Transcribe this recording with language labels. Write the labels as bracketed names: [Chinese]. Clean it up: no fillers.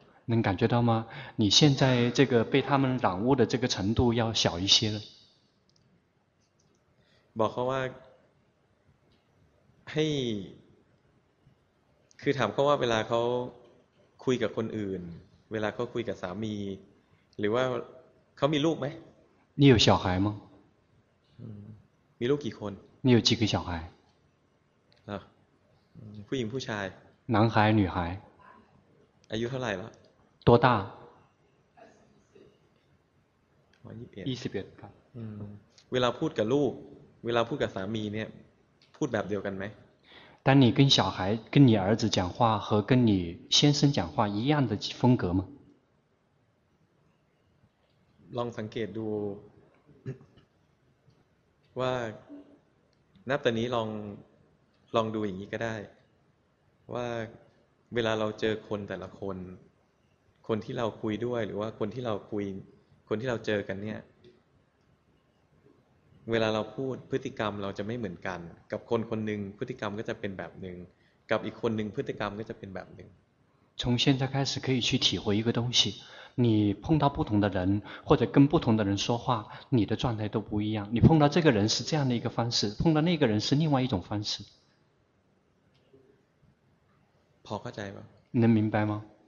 [Chinese] 能感觉到吗你现在这个被他们染污的这个程度要小一些了 [Thai] บอกเขาว่าให้คือถามเขาว่าเวลาเขาคุยกับคนอื่นเวลาเขาคุยกับสามีหรือว่าเขามีลูกไหม [Chinese] 你有小孩吗 [Thai] มีลูกกี่คน [Chinese] 你有几个小孩 [Thai] ผู้หญิงผู้ชาย [Chinese] 男孩女孩 [Thai] อายุเท่าไหร่ละ [Chinese] 多大 [Thai] 21ครับเวลาพูดกับลูกเวลาพูดกับสามีเนี่ยพูดแบบเดียวกันไหม [Chinese] 当你跟小孩跟你儿子讲话和跟你先生讲话一样的风格吗 [Thai] ลองสังเกตดูว่านับแต่นี้ลองดูอย่างนี้ก็ได้ว่าเวลาเราเจอคนแต่ละคนคนที่เราคุยด้วยหรือว่าคนที่เราคุยคนที่เราเจอกันเนี่ยเวลาเราพูดพฤติกรรมเราจะไม่เหมือนกันกับคนคนหนึ่งพฤติกรรมก็จะเป็นแบบหนึ่งกับอีกคนหนึ่งพฤติกรรมก็จะเป็นแบบหนึ่ง [Chinese] 从现在开始可以去体会一个东西你碰到不同的人或者跟不同的人说话你的状态都不一样你碰到这个人是这样的一个方式碰到那个人是另外一种方式 [Thai] พอเข้าใจไหม [Chinese] 能明白吗